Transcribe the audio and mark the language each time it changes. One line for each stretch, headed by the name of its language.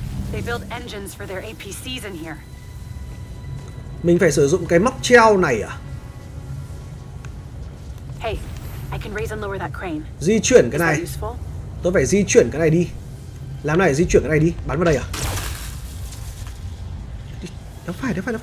English: They build engines for their APCs in here.
Vietnamese: Mình phải sử dụng cái móc treo này à?
English: Hey, I can raise and lower that crane.
Vietnamese: Di chuyển cái này. Tôi phải di chuyển cái này đi. Làm này di chuyển cái này đi, bắn vào đây à? Đó phải.